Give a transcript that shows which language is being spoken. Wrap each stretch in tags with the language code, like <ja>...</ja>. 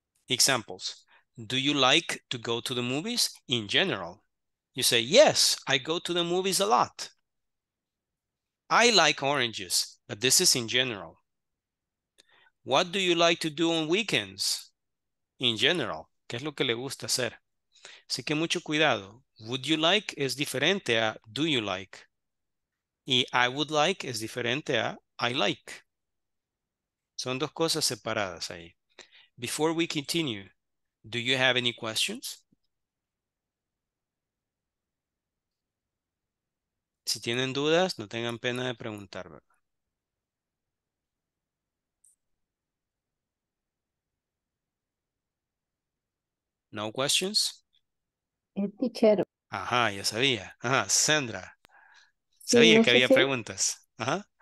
<en>Examples, do you like to go to the movies in general? You say, yes, I go to the movies a lot. I like oranges, but this is in general. What do you like to do on weekends? In general,</en> <es>¿qué es lo que le gusta hacer? Así que mucho cuidado.</es> <en>Would you like</en> <es>es diferente a</es> <en>do you like.</en> <es>Y</es> <en>I would like</en> <es>es diferente a</es> <en>I like.</en> <es>Son dos cosas separadas ahí.</es> <en>Before we continue, do you have any questions?</en> <es>Si tienen dudas, no tengan pena de preguntar, ¿verdad?</es> <en>No questions?</en> <es>El teacher. Ajá, ya sabía. Ajá, Sandra. Sabía sí, no que había si, preguntas. Ajá.</es>